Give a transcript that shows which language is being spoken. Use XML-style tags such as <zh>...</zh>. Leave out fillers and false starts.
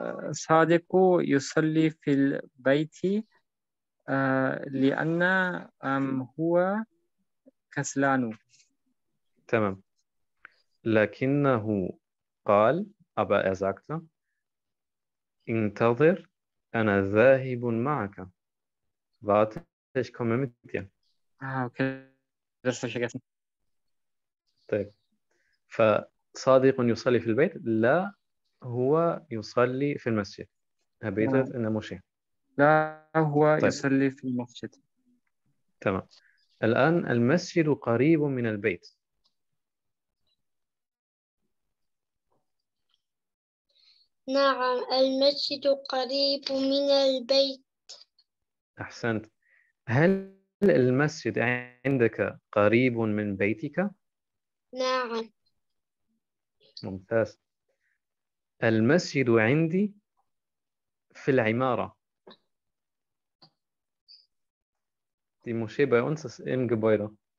<ar>صادق يصلي في البيت لأن هو كسلان تمام لكنه قال أبا أزاكتا انتظر أنا ذاهب معك</ar> <de>warte ich komme mit dir okay das habe ich vergessen</de> <ar>طيب فصادق يصلي في البيت لا هو يصلي في المسجد هبيت إن مشي لا هو يصلي في المسجد تمام الآن المسجد قريب من البيت نعم المسجد قريب من البيت أحسنت هل المسجد عندك قريب من بيتك؟ نعم ممتاز المسجد عندي في العمارة</ar> <de>Die Moschee bei uns ist im Gebäude.</de>